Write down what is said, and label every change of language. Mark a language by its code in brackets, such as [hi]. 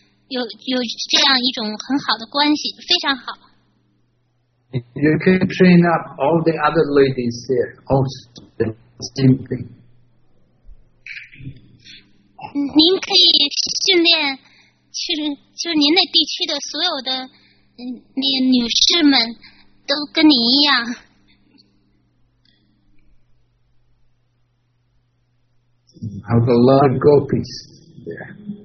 [zh] 有这样一种很好的关系，非常好。 [en] You can train up all the other ladies here also the same thing. [zh] 您可以训练就您那地区的所有的那女士们都跟您一样。 [en] Have a lot of gopis there.